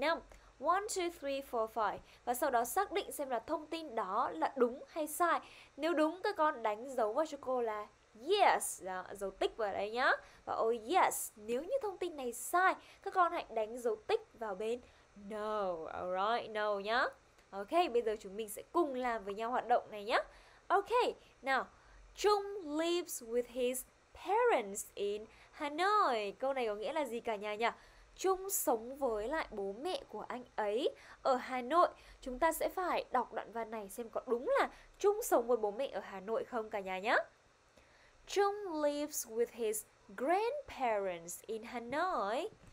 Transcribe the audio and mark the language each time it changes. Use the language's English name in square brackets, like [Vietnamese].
[Vietnamese] 1, 2, 3, 4, 5. Và sau đó xác định xem là thông tin đó là đúng hay sai. Nếu đúng, các con đánh dấu vào cho cô là yes. Đó, dấu tích vào đây nhá. Và oh yes, nếu như thông tin này sai, các con hãy đánh dấu tích vào bên no. Alright, no nhá. Ok, bây giờ chúng mình sẽ cùng làm với nhau hoạt động này nhé. [English] Ok, nào, Trung lives with his parents in Hanoi. [Vietnamese] Câu này có nghĩa là gì cả nhà nhỉ? Trung sống với lại bố mẹ của anh ấy ở Hà Nội. Chúng ta sẽ phải đọc đoạn văn này xem có đúng là Trung sống với bố mẹ ở Hà Nội không cả nhà nhé. [English] Trung lives with his grandparents in Hanoi.